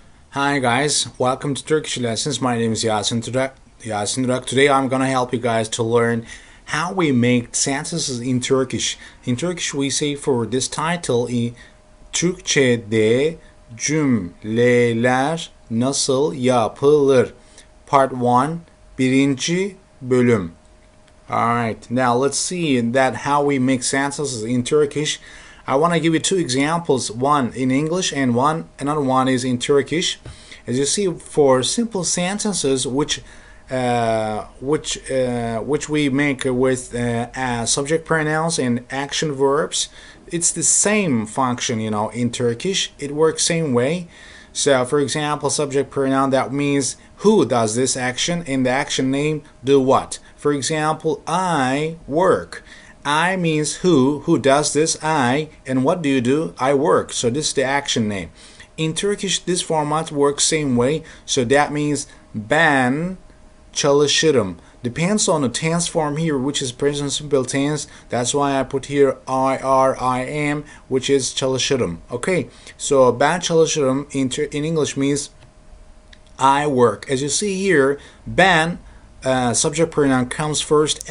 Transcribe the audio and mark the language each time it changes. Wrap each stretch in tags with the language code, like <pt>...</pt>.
<en>Hi guys, welcome to Turkish Lessons. My name is Yasin Durak. Today I'm gonna help you guys to learn how we make sentences in Turkish. In Turkish we say for this title,</en> <tr>Türkçe'de cümleler nasıl yapılır?</tr> <en>Part 1,</en> <tr>birinci bölüm.</tr> <en>Alright, now let's see that how we make sentences in Turkish. I want to give you two examples, one in English and another one is in Turkish. As you see, for simple sentences which we make with subject pronouns and action verbs, it's the same function, you know, in Turkish. It works same way. So, for example, subject pronoun, that means who does this action, and the action name, do what. For example, I work. I means who does this, I, and what do? I work. So this is the action name. In Turkish, this format works same way. So that means</en> <tr>ben çalışırım.</tr> <en>Depends on the tense form here, which is present simple tense. That's why I put here IRIM, which is çalışırım. Okay, so</en> <tr>ben çalışırım</tr> <en>in English means I work. As you see here, ben, subject pronoun, comes first.</en>